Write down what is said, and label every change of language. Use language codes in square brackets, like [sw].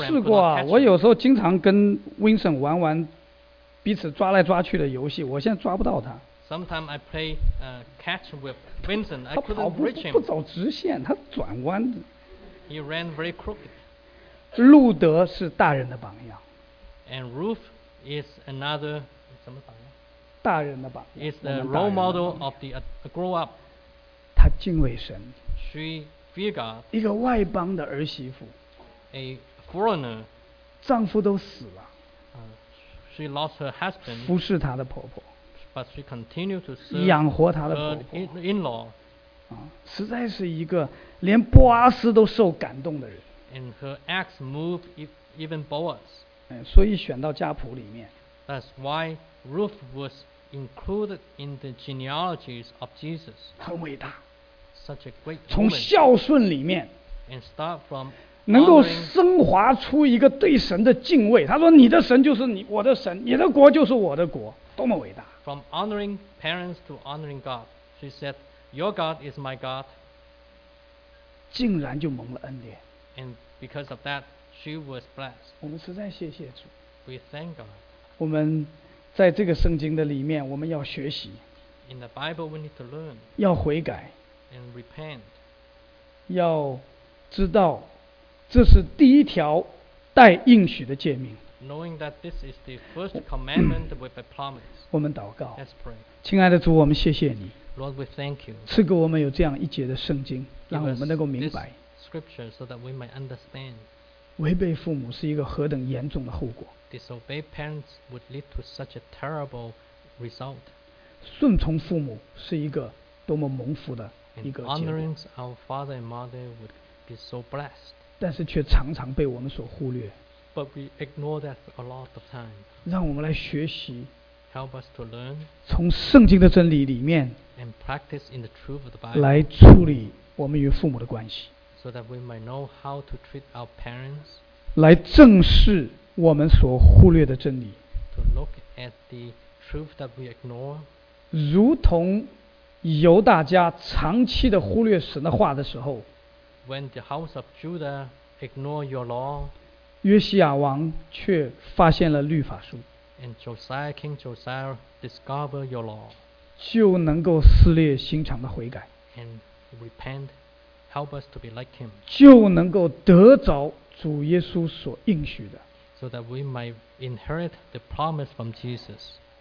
[zh] 我试过啊，我有时候经常跟 Vincent 玩玩彼此抓来抓去的游戏，我现在抓不到他。 [en] Sometimes I play catch with Vincent. I couldn't reach him. [zh] 他跑 不走直线，他转弯。 [en] He ran very crooked. [zh] 路德是大人的榜样。 [en] And Ruth is another [zh] 什么榜样？大人的榜样。 [en] Is the role model of the grow up. [zh] 他敬畏神。 [en] She feared God. [zh] 一个外邦的儿媳妇。 [en] A foreigner. [zh] 丈夫都死了。 [en] She lost her husband. [zh] 服侍她的婆婆。 [en] But she continued to serve [zh] 养活她的婆婆 [en] in-law, [zh] 实在是一个连波阿斯都受感动的人 [en] and her acts moved even Boaz, [zh] 所以选到家谱里面 [en] That's why Ruth was included in the genealogies of Jesus [zh] 很伟大 [en] Such a great woman [zh] 从孝顺里面 [en] and start from [zh] 能够升华出一个对神的敬畏他说你的神就是你我的神你的国就是我的国多么伟大 [en] From honoring parents to honoring God, she said, "Your God is my God." [zh] 竟然就蒙了恩典 [en] And because of that, she was blessed. [zh] 我们实在谢谢主 [en] We thank God. [zh] 我们在这个圣经的里面，我们要学习 [en] In the Bible, we need to learn. [zh] 要悔改 [en] And repent. [zh] 要知道，这是第一条带应许的诫命。 [en] Knowing that this is the first commandment with a promise, [zh] 我们祷告。 [en] Let's pray. [zh] 亲爱的主，我们谢谢你。 [en] Lord, we thank you. [zh] 赐给我们有这样一节的圣经，让我们能够明白。 [en] Scripture, so that we might understand. [zh] 违背父母是一个何等严重的后果。 [en] Disobey parents would lead to such a terrible result. [zh] 顺从父母是一个多么蒙福的一个结果。 [en] And honoring our father and mother would be so blessed. [zh] 但是却常常被我们所忽略。 [en] But we ignore that a lot of time. [zh] 让我们来学习 [en] Help us to learn. [zh] 从圣经的真理里面 [en] And practice in the truth of the Bible. [zh] 来处理我们与父母的关系 [en] So that we might know how to treat our parents. [zh] 来正视我们所忽略的真理 [en] To look at the truth that we ignore. [zh] 如同犹大家长期的忽略神的话的时候 [en] When the house of Judah ignore your law. [zh] 约西亚王却发现了律法书 [en] And Josiah, King Josiah, discover your law. [zh] 就能够撕裂心肠的悔改 [en] And repent, help us to be like him. [zh] 就能够得着主耶稣所应许的 [en] So that we might inherit the promise from Jesus.